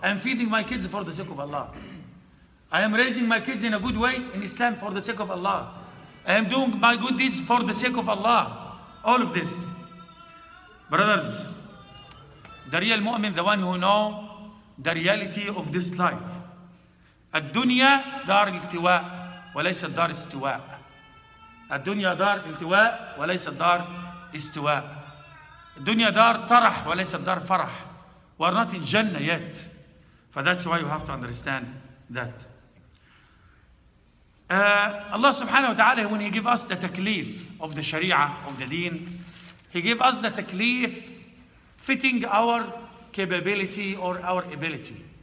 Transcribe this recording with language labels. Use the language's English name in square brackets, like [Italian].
[English] I'm feeding my kids for the sake of Allah. I am raising my kids in a good way, in Islam, for the sake of Allah. I am doing my good deeds for the sake of Allah. All of this. Brothers, the real mu'min, the one who know the reality of this life. [Arabic] الدنيا دار التواء وليس دار استواء. الدنيا دار التواء وليس دار استواء. الدنيا دار طرح وليس دار فرح. [English] We're not in Jannah yet. For that's why you have to understand that. Allah subhanahu wa ta'ala, when he gave us the taklif of the sharia, of the deen, he gave us the taklif fitting our capability or our ability.